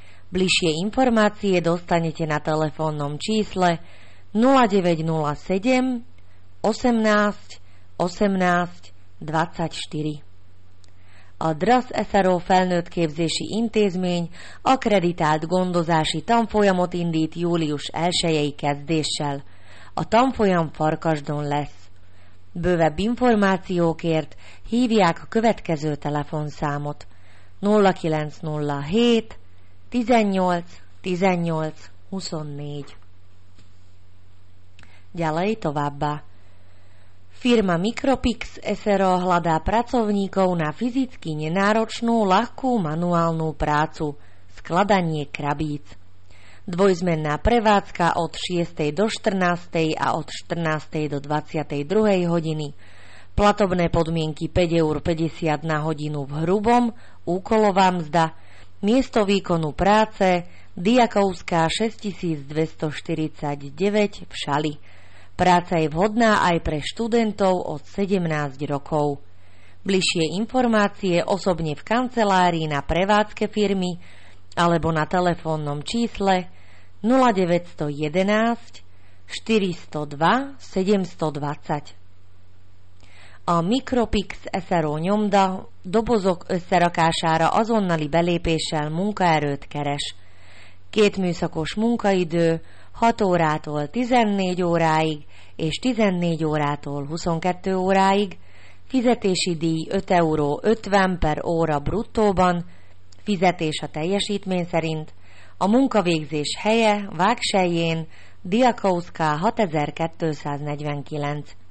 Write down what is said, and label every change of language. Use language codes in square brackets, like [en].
[sk] Bližšie informácie dostanete na telefónnom čísle 0907 18 18 24. [hu] A DRAS SRO felnőttképzési intézmény akkreditált gondozási tanfolyamot indít július 1-i kezdéssel. A tanfolyam Farkasdon lesz. Bővebb információkért hívják a következő telefonszámot 0907 18 18 24. [sk] Ďalej [hu] továbbá. [sk] Firma Micropix SRO hľadá pracovníkov na fyzicky nenáročnú, ľahkú manuálnu prácu – skladanie krabíc. Dvojzmenná prevádzka od 6. do 14. a od 14. do 22. hodiny. Platobné podmienky 5,50 € na hodinu v hrubom, úkolová mzda, miesto výkonu práce – Diakovská 6249 v Šali. Práca je vhodná aj pre študentov od 17 rokov. Bližšie informácie osobne v kancelárii na prevádzke firmy alebo na telefónnom čísle 0911 402 720. [hu] A Micropix SRO nyomda dobozok összerakására azonnali belépéssel munkaerőt keres. Két műszakos munkaidő 6 órától 14 óráig és 14 órától 22 óráig, fizetési díj 5,50 € per óra bruttóban, fizetés a teljesítmény szerint, a munkavégzés helye Vágsejjén, Diakovská 6249.